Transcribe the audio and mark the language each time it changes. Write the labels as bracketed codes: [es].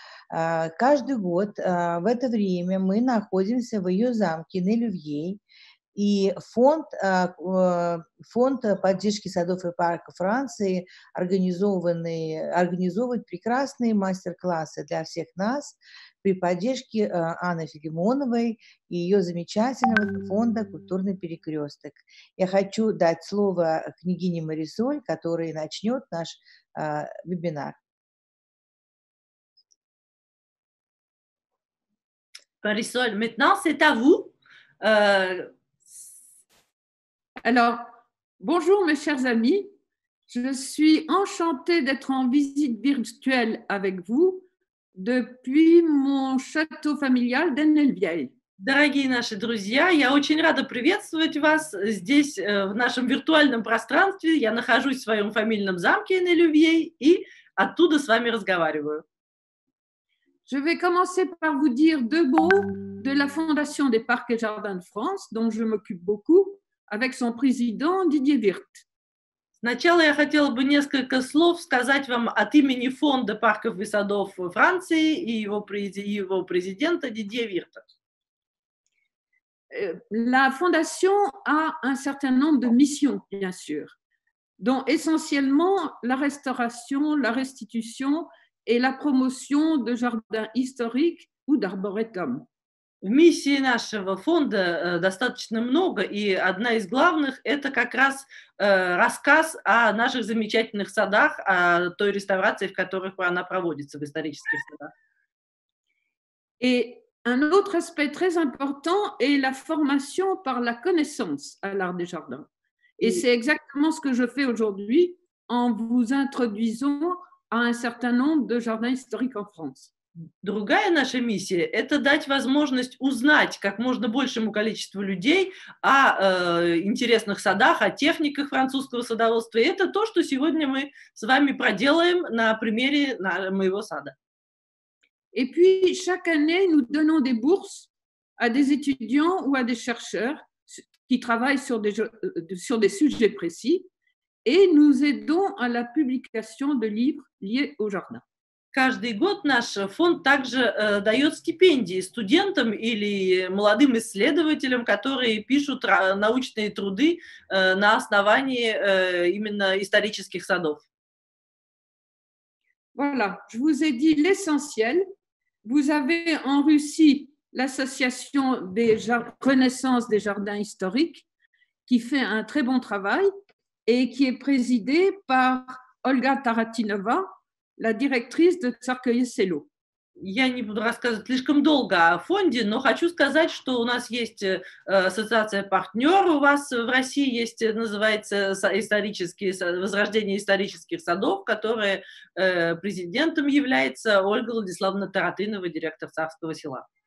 [ru] Каждый год в это время мы находимся в ее замке Нелювьей, и фонд поддержки садов и парков Франции организовывает прекрасные мастер-классы для всех нас при поддержке Анны Филимоновой и ее замечательного фонда «Культурный перекресток». Я хочу дать слово княгине Марисоль, которая начнет наш вебинар. Марисоль, [fr] maintenant c'est à vous. Alors, bonjour mes chers amis, je suis enchantée d'être en visite virtuelle avec vous depuis mon château familial d'Ennelvieille. [ru] Дорогие наши друзья, я очень рада приветствовать вас здесь, в нашем виртуальном пространстве. Я нахожусь в своем фамильном замке Ennelvieille и оттуда с вами разговариваю. [fr] Je vais commencer par vous dire deux mots de la Fondation des Parcs et Jardins de France, dont je m'occupe beaucoup. Avec son président Didier Wirt. [ru] Сначала я хотела бы несколько слов сказать вам от имени фонда парков и садов Франции и его президента Didier Wirt. [fr] La fondation a un certain nombre de missions, bien sûr, dont essentiellement la restauration, la restitution et la promotion de jardins historiques ou d'arboretum. [ru] В миссии нашего фонда достаточно много, и одна из главных – это как раз рассказ о наших замечательных садах, о той реставрации, в которых она проводится, в исторических садах. [fr] Et un autre aspect très important est la formation par la connaissance à l'art des jardins. Et c'est exactement ce que je fais aujourd'hui en vous introduisant à un certain nombre de jardins historiques en France. [ru] Другая наша миссия – это дать возможность узнать как можно большему количеству людей о интересных садах, о техниках французского садоводства. И это то, что сегодня мы с вами проделаем на примере моего сада. [fr] Et puis chaque année nous donnons des bourses à des étudiants ou à des chercheurs qui travaillent sur des sujets précis, et nous aidons à la publication de livres liés au jardin. [ru] Каждый год наш фонд также дает стипендии студентам или молодым исследователям, которые пишут научные труды на основании именно исторических садов. [fr] Voilà, je vous ai dit l'essentiel. Vous avez en Russie l'association des Renaissance des jardins historiques qui fait un très bon travail et qui est présidée par Olga Taratinova, la directrice de Tsarkoye-Selo. [ru] Я не буду рассказывать слишком долго о фонде, но хочу сказать, что у нас есть ассоциация-партнер, у вас в России есть, называется исторические, возрождение исторических садов, которое президентом является Ольга Владиславовна Таратынова, директор Царского села.